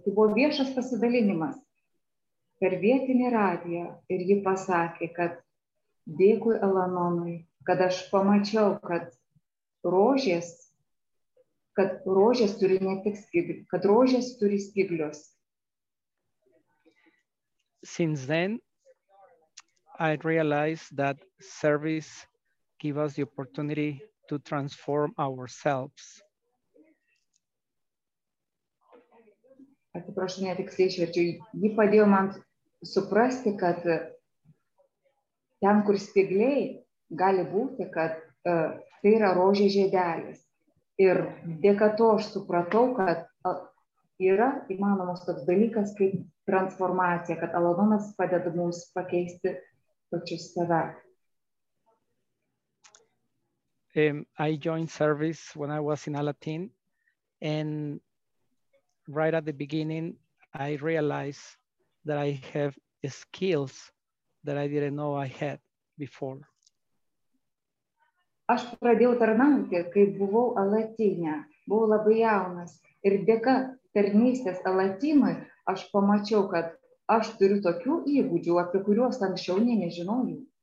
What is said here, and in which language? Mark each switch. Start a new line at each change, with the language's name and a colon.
Lithuanian: Tai buvo viešas pasidalinimas per vietinį radiją. Ir ji pasakė, kad dėkui Al-Anonui, kad aš pamačiau, kad rožės turi ne tik spyglius, kad rožės turi spyglius.
English: Since then, I realized that service give us the opportunity to transform ourselves.
Lithuanian: Atsiprašau, netiksliai išverčiu. Ji padėjo man suprasti, kad ten, kur spygliai, gali būti, kad tai yra rožės žiedelis. Ir dėka to aš supratau, kad yra įmanomas toks dalykas kaip transformacija, kad Al-Anonas padeda mums pakeisti pačius save.
English: I joined service when I was in Alatin, and right at the beginning, I realized that I have skills that I didn't know I had before.
Lithuanian: Aš pradėjau tarnauti, kai buvau Alatinė, buvau labai jaunas, ir dėka tarnystės Alatinui, aš pamačiau, kad aš turiu tokių įgūdžių, apie kuriuos anksčiau nežinojau.